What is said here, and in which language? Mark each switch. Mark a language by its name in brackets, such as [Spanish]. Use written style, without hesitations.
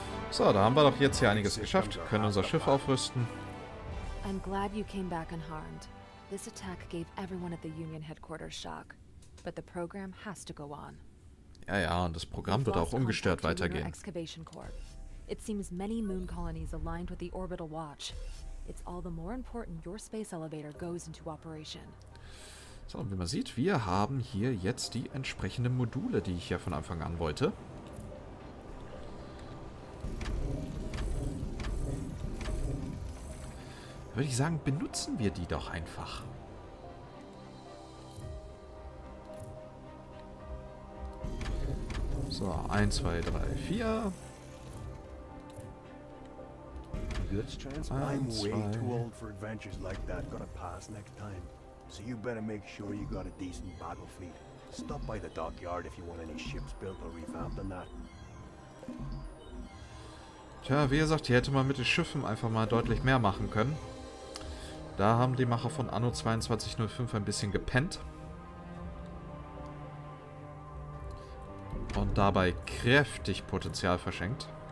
[German] So, da haben wir doch jetzt hier einiges geschafft. Können unser Schiff aufrüsten. [English] I'm glad you came back unharmed. This attack gave everyone at the Union headquarters shock, but the program has to go on. [German] Ja, ja, und das Programm wird auch ungestört weitergehen. [English] It seems many moon colonies aligned with the orbital watch. It's all the more important your space elevator goes into operation. [German] So, und wie man sieht, wir haben hier jetzt die entsprechenden Module, die ich ja von Anfang an wollte. Würde ich sagen, benutzen wir die doch einfach. So, 1, 2, 3, 4. [English] I'm way too old for adventures like that. Gotta pass next time. So you better make sure you got a decent battle fleet. Stop by the dockyard if you want any ships built or revamped on that. [German] Tja, wie gesagt, hier hätte man mit den Schiffen einfach mal deutlich mehr machen können. Da haben die Macher von Anno 2205 ein bisschen gepennt. Und dabei kräftig Potenzial verschenkt.